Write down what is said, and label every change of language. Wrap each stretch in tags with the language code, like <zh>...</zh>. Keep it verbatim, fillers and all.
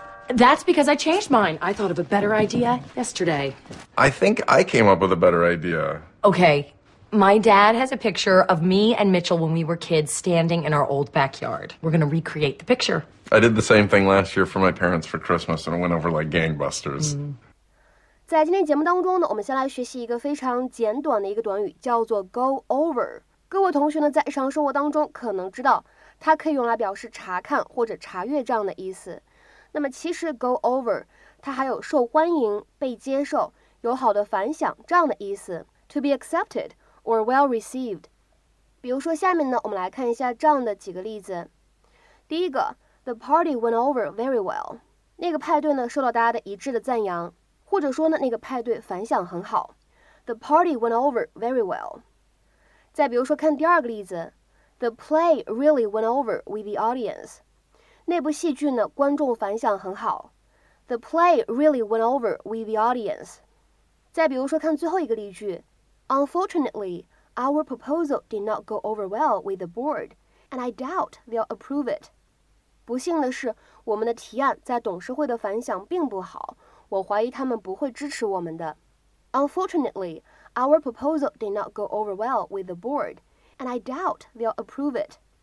<en>That's because I changed mine. I thought of a better idea yesterday. I think I came up with a better idea. Okay, my dad has a picture of me and Mitchell when we were kids standing in our old backyard. We're going to recreate the picture. I did the same thing last year for my parents for Christmas, and it went over like gangbusters.</en> <zh>在今天节目当中呢，我们先来学习一个非常简短的一个短语，叫做 go over。各位同学呢，在日常生活当中可能知道，它可以用来表示查看或者查阅这样的意思。那么其实 go over 它还有受欢迎、被接受、有好的反响这样的意思</zh> <en>to be accepted or well received。</en> <zh>比如说下面呢我们来看一下这样的几个例子。第一个</zh> <en>the party went over very well，</en> <zh>那个派对呢受到大家的一致的赞扬，或者说呢那个派对反响很好。</zh> <en>The party went over very well。</en> <zh>再比如说看第二个例子，</zh> <en>The play really went over with the audience，</en> <zh>那部戏剧呢，观众反响很好。</zh> <en>The play really went over with the audience。</en> <zh>再比如说看最后一个例句，</zh> <en>Unfortunately, our proposal did not go over well with the board, and I doubt they'll approve it。</en> <zh>不幸的是，我们的提案在董事会的反响并不好，我怀疑他们不会支持我们的。</zh> <en>Unfortunately, our proposal did not go over well with the board, and I doubt they'll approve it。</en>